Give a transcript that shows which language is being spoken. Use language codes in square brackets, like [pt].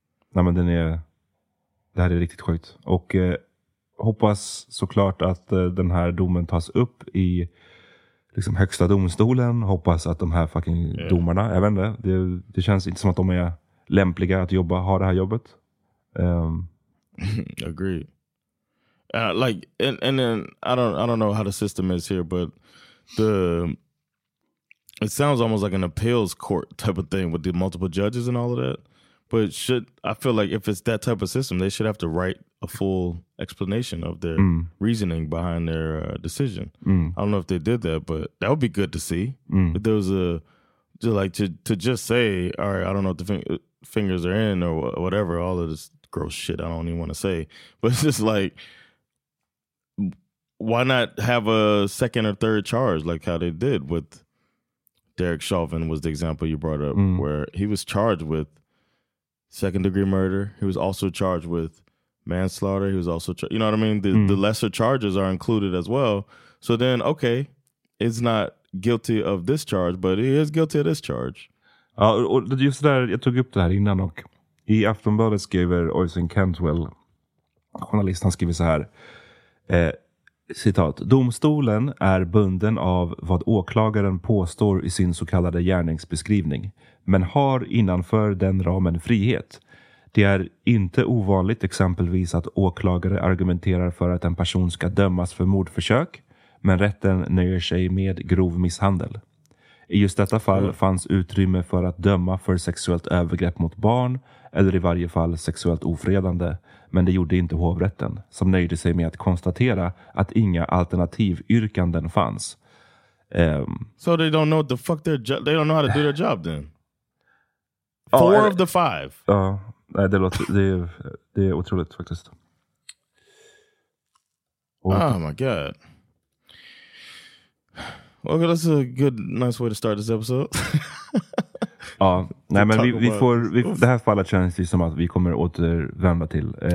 [sv] Nej, men det här är riktigt sjukt. Och hoppas såklart att den här domen tas upp i liksom högsta domstolen. Hoppas att de här fucking domarna, jag vet inte, det känns inte som att de är lämpliga att jobba, ha det här jobbet. [en] Agreed. Like and then I don't know how the system is here, but it sounds almost like an appeals court type of thing with the multiple judges and all of that. But I feel like if it's that type of system, they should have to write a full explanation of their reasoning behind their decision. I don't know if they did that, but that would be good to see. If there was to just say, all right, I don't know what the thing. Fingers are in or whatever, all of this gross shit I don't even want to say, but it's just like, why not have a second or third charge, like how they did with Derek Chauvin was the example you brought up, where he was charged with second degree murder, he was also charged with manslaughter, he was also you know what I mean, the lesser charges are included as well, so then okay, it's not guilty of this charge, but he is guilty of this charge. [sv] Ja, och just det där, jag tog upp det här innan, och i Aftonbladet skriver Oisin Cantwell, journalisten, skriver så här, citat, domstolen är bunden av vad åklagaren påstår i sin så kallade gärningsbeskrivning, men har innanför den ramen frihet. Det är inte ovanligt exempelvis att åklagare argumenterar för att en person ska dömas för mordförsök, men rätten nöjer sig med grov misshandel. I just detta fall fanns utrymme för att döma för sexuellt övergrepp mot barn eller i varje fall sexuellt ofredande, men det gjorde inte hovrätten, som nöjde sig med att konstatera att inga alternativyrkanden fanns. [en] So they don't know what the fuck they don't know how to do their job then. Four of the five. [sv] Ja, nej, det är otroligt faktiskt. [en] Oh my god. Okay, that's a good, nice way to start this episode. [sv] Ja, nej, men vi får det här fallet känns ju som att vi kommer återvända till.